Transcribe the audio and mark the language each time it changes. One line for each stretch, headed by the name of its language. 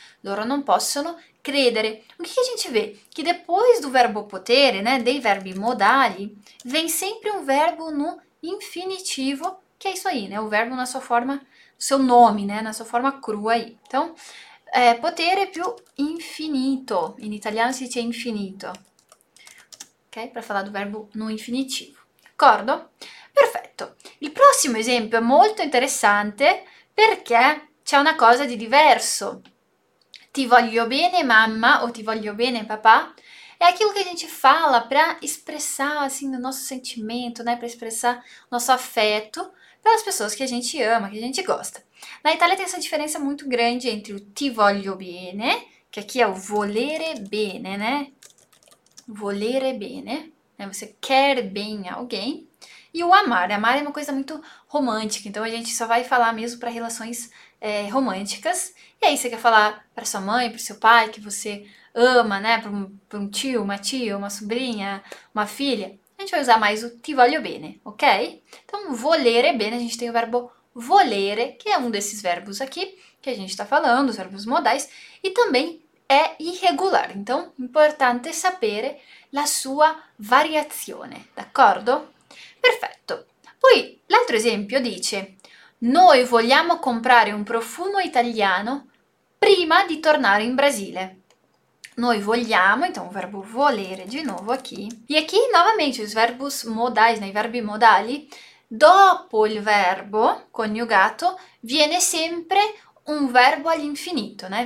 Italian: Loro non possono credere.
Portuguese: O que que a gente vê? Que depois do verbo potere, né? Dei verbi modali, vem sempre um verbo no infinitivo, que é isso aí, né? O verbo na sua forma, seu nome, né? Na sua forma crua aí.
Italian: Então, potere più infinito. In italiano si dice infinito.
Portuguese: Ok? Para falar do verbo no infinitivo.
Italian: D'accordo? Perfetto. Il prossimo esempio è molto interessante perché c'è una cosa di diverso. Ti voglio bene, mamma, o ti voglio bene, papà.
Portuguese: È aquilo che a gente fala para espressar assim o nosso sentimento, né? Para expressar nosso afeto pelas pessoas que a gente ama, que a gente gosta. Na Itália tem essa diferença muito grande entre o
Italian: ti voglio bene,
Portuguese: que aqui é o volere bene, né? Volere bene, né? Você quer bem alguém. E o amar. Amar é uma coisa muito romântica, então a gente só vai falar mesmo para relações românticas. E aí, você quer falar para sua mãe, para seu pai, que você ama, né? Para um tio, uma tia, uma sobrinha, uma filha. A gente vai usar mais o
Italian: ti voglio bene,
Portuguese: ok? Então, volere bene, a gente tem o verbo volere, que é um desses verbos aqui que a gente está falando, os verbos modais, e também é irregular.
Italian: Então, importante sapere la sua variazione, d'accordo? Perfetto. Poi l'altro esempio dice: noi vogliamo comprare un profumo italiano prima di tornare in Brasile. Noi vogliamo, então o verbo volere di nuovo aqui.
Portuguese: E aqui novamente os verbos modais, né,
Italian: i verbi modali, dopo il verbo coniugato viene sempre un verbo all'infinito, né?